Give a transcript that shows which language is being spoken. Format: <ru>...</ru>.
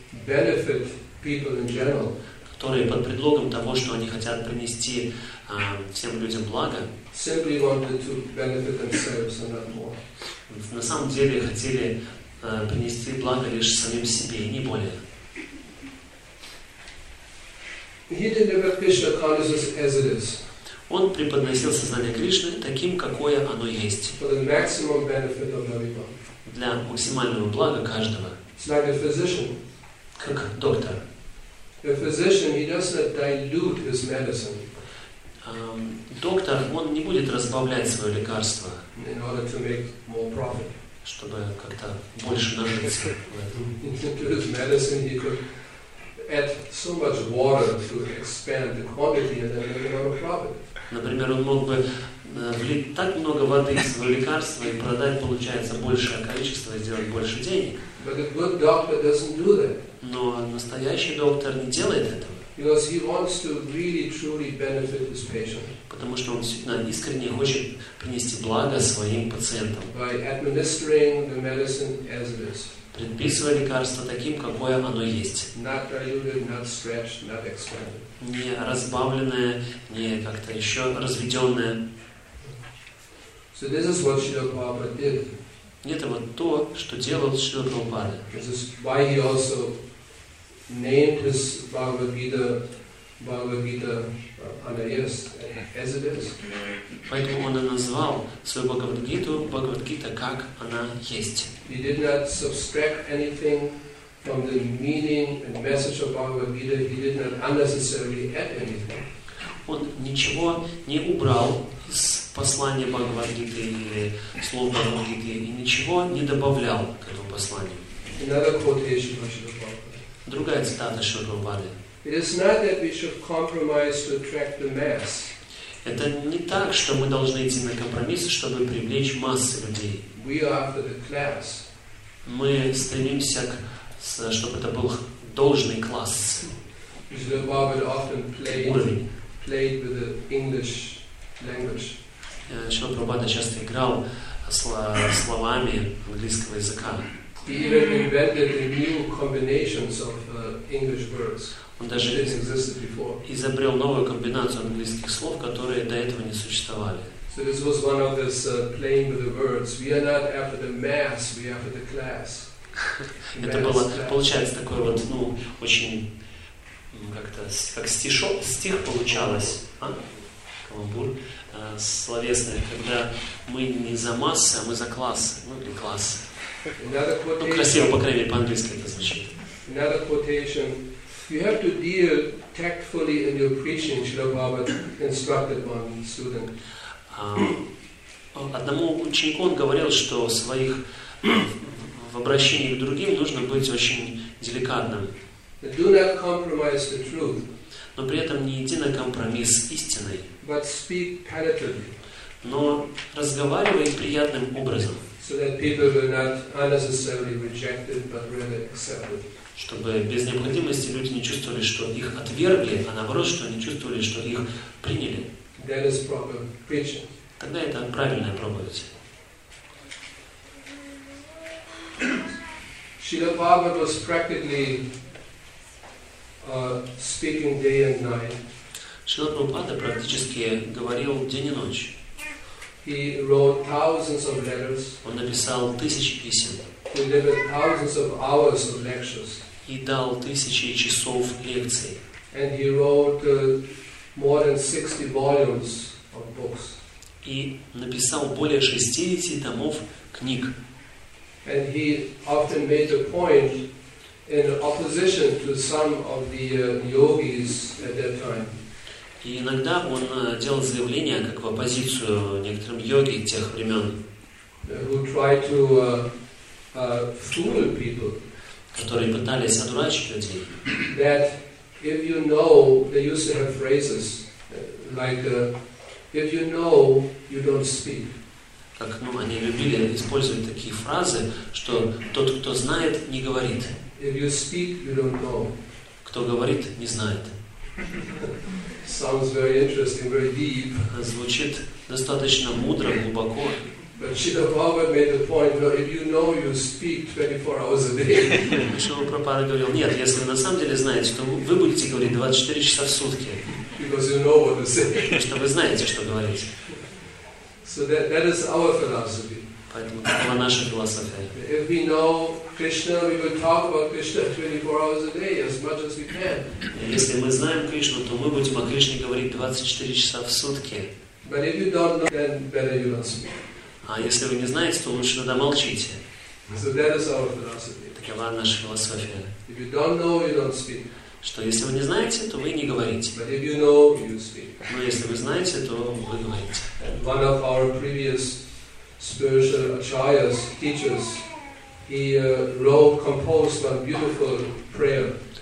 <ru>Которые под предлогом того, что они хотят принести всем людям благо,</ru> <en>simply wanted to benefit themselves and not more.</en> <ru>На самом деле хотели принести благо лишь самим себе, и не более.</ru> <en>He delivered Krishna consciousness as it is.</en> <ru>Он преподносил сознание Кришны таким, какое оно есть.</ru> <en>For the maximum benefit of everyone.</en> <ru>Для максимального блага каждого.</ru> <en>It's like a physician.</en> <ru>Как доктор.</ru> <en>A physician, he does not dilute his medicine.</en> <ru>Доктор, он не будет разбавлять свое лекарство,</ru> <en>in order to make more profit.</en> <ru>Чтобы как-то больше нажиться.</ru> <en>To his medicine, he could add so much water to expand the quantity and then make a lot of profit.</en> <ru>Например, он мог бы влить так много воды в свое лекарство и продать, получается, большее количество и сделать больше денег.</ru> <en>But a good doctor doesn't do that.</en> <ru>Но настоящий доктор не делает этого.</ru> <en>Because he wants to really, truly benefit his patient.</en> <ru>Потому что он действительно искренне хочет принести благо своим пациентам.</ru> <en>By administering the medicine as it is.</en> <ru>Предписывая лекарство таким, какое оно есть.</ru> <en>Not diluted, not stretched, not expanded.</en> <ru>Не разбавленное, не как-то еще разведенное.</ru> <en>So this is what Srila Prabhupada did.</en> <ru>Это вот то, что делал Шрила Прабхупада.</ru> <en>This is why he also named his Bhagavad Gita Anayas, as it is.</en> <ru>Поэтому он и назвал свою Бхагавад-гиту Бхагавад-гита, как она есть.</ru> <en>He did not subtract anything from the meaning and message of Bhagavad-gita. He did not unnecessarily add anything.</en> <ru>Он ничего не убрал из послания Бхагавад-гиты или слов Бхагавад-гиты и ничего не добавлял к этому посланию.</ru> <en>Another quotation from Srila</en> <ru>Prabhupada. Другая цитата Шрила Прабхупады.</ru> <en>It is not that we should compromise to attract the mass.</en> <ru>Это не так, что мы должны идти на компромиссы, чтобы привлечь массы людей.</ru> <en>We are after the class.</en> <ru>Мы стремимся, чтобы это был должный класс.</ru> <en>Srila Prabhupada often played with the English language.</en> <ru>Srila Prabhupada часто играл словами английского языка.</ru> <en>He even invented the new combinations of English words.</en> <ru>Он даже изобрел новую комбинацию английских слов, которые до этого не существовали.</ru> <en>So this was one of this playing with the words. We are not after the mass, we are after the class.</en> <ru>Это было, получается, такой вот, ну, очень как-то как стишок, стих получалось, каламбур, словесный, когда мы не за массы, а мы за класс, ну или класс. Ну красиво, по крайней мере, по-английски это звучит.</ru> <en>Another quotation. You have to deal tactfully in your preaching, Srila Prabhupada instructed one student.</en> <ru>Одному ученику он говорил, что в своих в обращении к другим нужно быть очень деликатным.</ru> <en>But do not compromise the truth.</en> <ru>Но при этом не иди на компромисс с истиной.</ru> <en>But speak palatably.</en> <ru>Но разговаривай приятным образом.</ru> <en>So that people will not unnecessarily reject it, but really accept it.</en> <ru>Чтобы без необходимости люди не чувствовали, что их отвергли, а наоборот, что они чувствовали, что их приняли.</ru> <en>That is proper preaching.</en> <ru>Тогда это правильная проповедь.</ru> <en>Srila Prabhupada was practically speaking day and night.</en> <ru>Шрила Прабхупада практически говорил день и ночь.</ru> <en>He wrote thousands of letters.</en> <ru>Он написал тысячи писем.</ru> <en>He delivered thousands of hours of lectures.</en> <ru>И дал тысячи часов лекций.</ru> <en>And he wrote more than 60 volumes of books.</en> <ru>И написал более 60 томов книг.</ru> <en>And he often made a point in opposition to some of the yogis at that time.</en> <ru>И иногда он делал заявления как в оппозицию некоторым йоги тех времен.</ru> <en>Who tried to fool people,</en> <ru>которые пытались одурачить людей.</ru> <en>That if you know, they used to have phrases like if you know, you don't speak.</en> <ru>Как, ну, они любили использовать такие фразы, что тот, кто знает, не говорит.</ru> <en>If you speak, you don't know.</en> <ru>Кто говорит, не знает.</ru> <en>Sounds very interesting, very deep.</en> <ru>Звучит достаточно мудро, глубоко.</ru> <en>But Srila Prabhupada made the point, no, if you know, you speak 24 hours a day.</en> <ru>Srila Prabhupada говорил, нет, если вы на самом деле знаете, то вы будете говорить 24 часа в сутки.</ru> <en>Because you know what to say.</en> <ru>Потому что вы знаете, что говорить.</ru> <en>So that is our philosophy.</en> <ru>Поэтому такова наша философия.</ru> <en>If we know Krishna, we will talk about Krishna 24 hours a day, as much as we can.</en> <ru>Если мы знаем Кришну, то мы будем о Кришне говорить 24 часа в сутки.</ru> <en>But if you don't know, then better you not speak.</en> <ru>А если вы не знаете, то лучше тогда молчите.</ru> <en>So that is our philosophy.</en> <ru>Такова наша философия.</ru> <en>If you don't know, you don't speak.</en> <ru>Что если вы не знаете, то вы не говорите.</ru> <en>But if you know, you speak.</en> <ru>Но если вы знаете, то вы говорите.</ru> <en>One of our previous spiritual acharyas, teachers, he wrote, composed one beautiful prayer.</en>